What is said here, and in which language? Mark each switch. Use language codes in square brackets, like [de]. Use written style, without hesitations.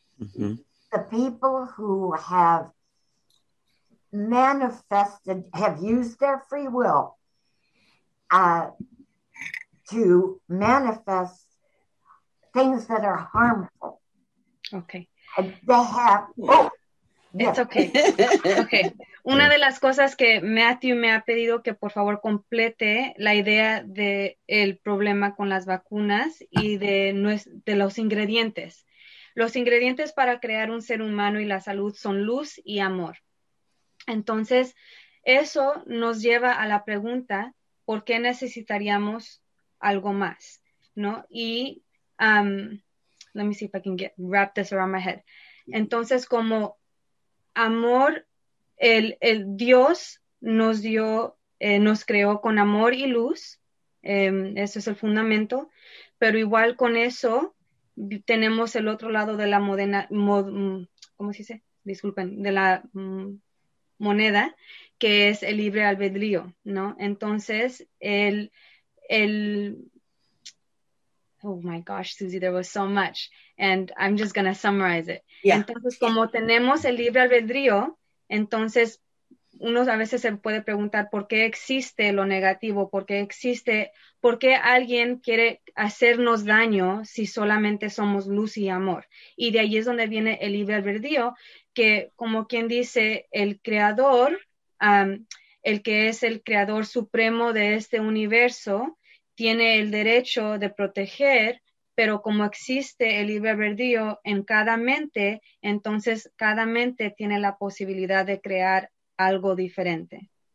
[en] The people who have manifested, have used their free will to manifest things that are harmful. Okay. They have... It's okay. Okay. [es] Una de las cosas que Matthew me ha pedido que por favor complete la idea de el problema con las vacunas y de los ingredientes. Los ingredientes para crear un ser humano y la salud son luz y amor. Entonces, eso nos lleva a la pregunta, ¿por qué necesitaríamos algo más? ¿No? [en] Y let me see if I can wrap this around my head. [es] Entonces, como amor, el Dios nos dio, nos creó con amor y luz, eso es el fundamento, pero igual con eso tenemos el otro lado de la ¿cómo se dice? Disculpen, de la moneda, que es el libre albedrío, ¿no? [en] Entonces, oh my gosh, Susie, there was so much. And I'm just going to summarize it. Yeah. [es] Entonces, como tenemos el libre albedrío, entonces uno a veces se puede preguntar por qué existe lo negativo, por qué alguien quiere hacernos daño si solamente somos luz y amor. Y de ahí es donde viene el libre albedrío, que como quien dice, el creador, el que es el creador supremo de este universo, tiene el derecho de proteger, pero como existe el libre albedrío en cada mente, entonces cada mente tiene la posibilidad de crear algo diferente.